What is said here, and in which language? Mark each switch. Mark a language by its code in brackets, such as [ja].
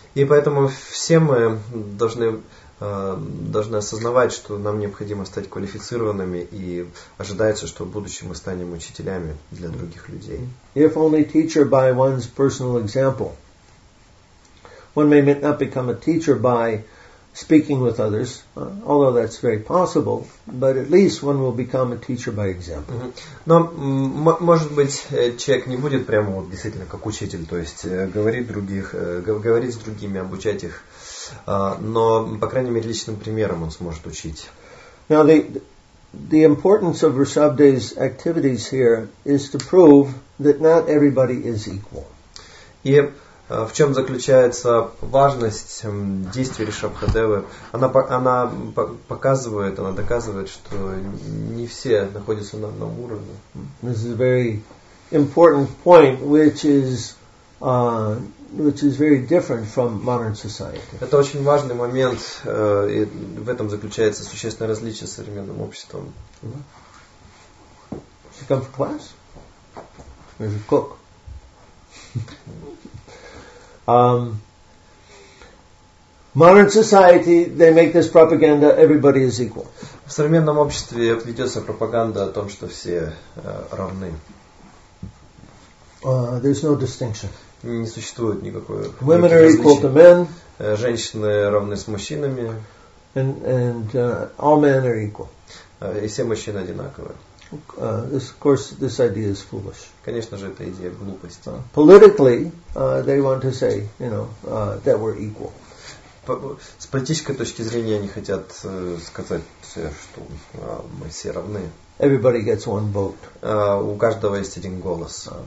[ru] И поэтому все мы должны осознавать, что нам необходимо стать квалифицированными, и ожидается, что в будущем мы станем учителями для других людей. [en] If only teacher by one's personal example, one may not become a teacher by speaking with others, although that's very possible, but at least one will become a teacher by example. Mm-hmm. [ru] Но может быть человек не будет прямо вот действительно как учитель, то есть говорить с другими, обучать их, но по крайней мере личным примером он сможет учить. [en] Now the importance of Rishabhdev's activities here is to prove that not everybody is equal. [ru] И в чем заключается важность действий Ришабхадевы? Она доказывает, что не все находятся на одном уровне. [en] This is a very important point, which is very different from modern society. [ru] Это очень важный момент, и в этом заключается существенное различие с современным обществом. [en] She come for class? Or is it cook? Modern society, they make this propaganda, everybody is equal. [ru] В современном обществе ведется пропаганда о том, что все равны. [en] There's no distinction. [ru] Не существует никакой. [en] Women are equal to men. [ru] Женщины равны с мужчинами. [en] And all men are equal. [ru] И все мужчины одинаковы. [en] Of course, this idea is foolish. [ru] Конечно же, эта идея глупость. [en] Politically, they want to say, that we're equal. [ru] С политической точки зрения они хотят сказать, что мы все равны. [en] Everybody gets one vote. [ru] У каждого есть один голос.